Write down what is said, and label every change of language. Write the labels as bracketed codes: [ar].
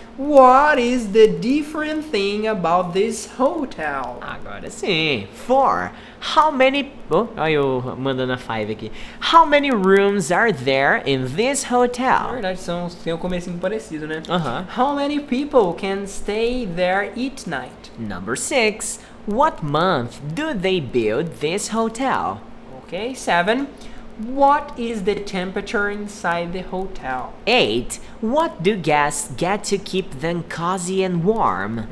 [en] What is the different thing about this hotel? [pt] Agora sim. 4. [en] How many... [pt] Oh, eu mandando a 5 aqui. [en] How many rooms are there in this hotel? [pt] Na verdade, são, tem um comecinho parecido, né? Uh-huh. [en] How many people can stay there each night? Number 6. What month do they build this hotel? Okay, 7. What is the temperature inside the hotel? 8. What do guests get to keep them cozy and warm?